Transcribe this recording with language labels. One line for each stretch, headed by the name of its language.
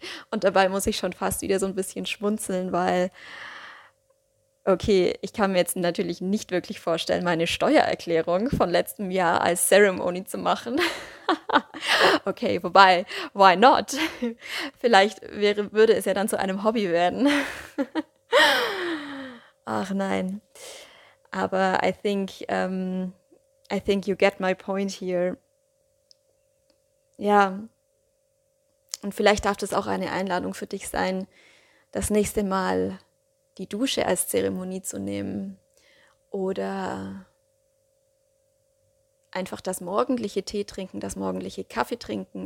German: Und dabei muss ich schon fast wieder so ein bisschen schmunzeln, weil, okay, ich kann mir jetzt natürlich nicht wirklich vorstellen, meine Steuererklärung von letztem Jahr als Ceremony zu machen. Okay, wobei,
English: why not?
German: Vielleicht würde es ja dann zu einem Hobby werden. Ach nein. Aber
English: I think you get my point here.
German: Ja. Und vielleicht darf das auch eine Einladung für dich sein, das nächste Mal die Dusche als Zeremonie zu nehmen oder einfach das morgendliche Tee trinken, das morgendliche Kaffee trinken.